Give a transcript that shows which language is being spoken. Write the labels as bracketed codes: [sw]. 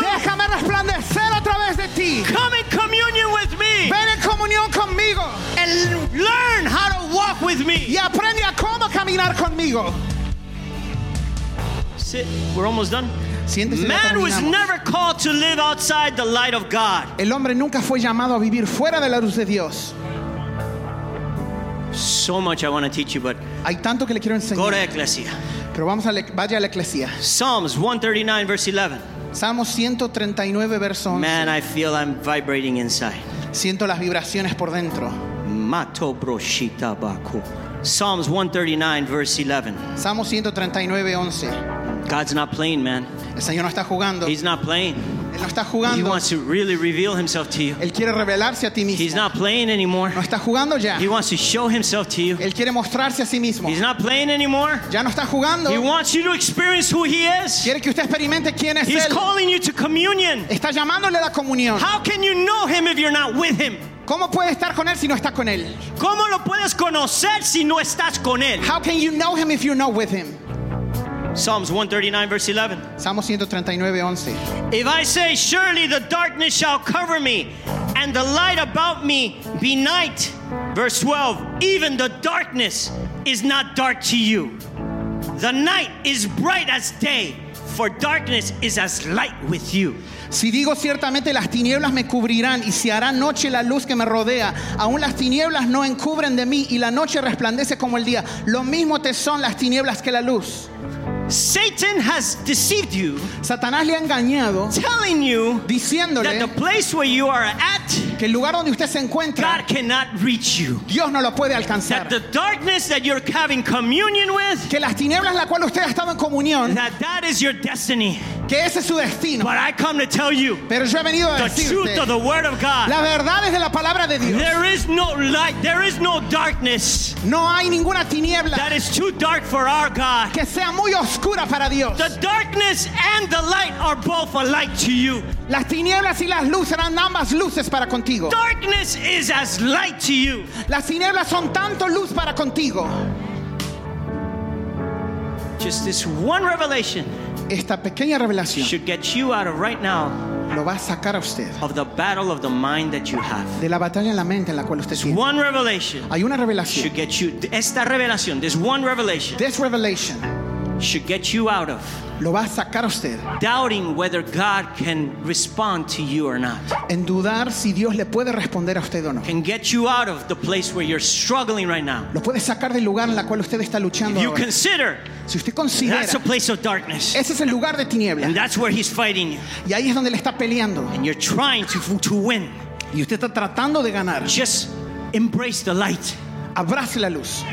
[es] Déjame resplandecer a través de ti. [en] Come in communion with me. [es] Ven en comunión conmigo. [en] And learn how to walk with me. [es] Y aprende a cómo caminar conmigo. [en] Sit. We're almost done. Man was never called to live outside the light of God. [es] El hombre nunca fue llamado a vivir fuera de la luz de Dios. [en] So much I want to teach you, but [es] hay tanto que le quiero enseñar. [en] Go to Ecclesia. [es] Pero vamos a vaya a la Ecclesia. [en] Psalms 139 verse 11. [es] Salmos 139 verso 11. [en] Man, I feel I'm vibrating inside. [es] Siento las vibraciones por dentro. Mato broshita baku. [en] Psalms 139 verse 11. [es] Salmos 139 11. [en] God's not playing, man. [es] El Señor no está jugando. [en] He's not playing. [es] Él no está jugando. [en] He wants to really reveal himself to you. [es] Él quiere revelarse a ti mismo. [en] He's not playing anymore. [es] No está jugando ya. [en] He wants to show himself to you. [es] Él quiere mostrarse a sí mismo. [en] He's not playing anymore. [es] Ya no está jugando. [en] He wants you to experience who he is. [es] Quiere que usted experimente quién es [en] He's [es] él. [en] Calling you to communion. [es] Está llamándole a la comunión. [en] How can you know him if you're not with him? [es] ¿Cómo puedes estar con él si no estás con él? ¿Cómo lo puedes conocer si no estás con él? [en] How can you know him if you're not with him? Psalms 139 verse 11. [es] Salmo 139, 11. [en] If I say, surely the darkness shall cover me, and the light about me be night. Verse 12. Even the darkness is not dark to you. The night is bright as day, for darkness is as light with you. [es] Si digo ciertamente las tinieblas me cubrirán y se hará noche la luz que me rodea, aún las tinieblas no encubren de mí y la noche resplandece como el día. Lo mismo te son las tinieblas que la luz. [en] Satan has deceived you. [es] Satanás le ha engañado. [en] Telling you, [es] diciéndole, [en] that the place where you are at, [es] que el lugar donde usted se encuentra, [en] God cannot reach you. [es] Dios no lo puede alcanzar. [en] That the darkness that you're having communion with, [es] que las tinieblas en la cual usted ha estado en comunión, [en] that is your destiny. [es] Que ese es su destino. [en] But I come to tell you, [es] pero yo he venido a [en] the [es] decirte, [en] truth of the word of God. [es] La verdad es de la palabra de Dios. [en] There is no light. There is no darkness. [es] No hay ninguna tiniebla. [en] That is too dark for our God. [es] Que sea muy oscura para Dios. [en] The darkness and the light are both a light to you. [es] Las tinieblas y las luces serán ambas luces para contigo. [en] Darkness is as light to you. [es] Las tinieblas son tanto luz para contigo. [en] Just this one revelation. [es] Esta pequeña revelación [en] should get you out of right now. [es] Lo va a sacar a usted [en] of the battle of the mind that you have. [es] De la batalla en la mente en la cual usted tiene. [en] One revelation. [es] Hay una revelación. [en] Should get you [es] esta revelación. [en] This one revelation. This revelation. Should get you out of [es] lo va a sacar a usted [en] doubting whether God can respond to you or not. [es] En dudar si Dios le puede responder a usted o no. [en] Can get you out of the place where you're struggling right now. [es] Lo puede sacar del lugar en la cual usted está luchando. [en] If you [es] ahora. [en] Consider [es] si usted considera, [en] that's a place of darkness. [es] Ese es el lugar de tiniebla. [en] And that's where he's fighting you. [es] Y ahí es donde le está peleando. [en] And you're trying to win. [es] Y usted está tratando de ganar. [en] Just embrace the light. [es] Abrace la luz.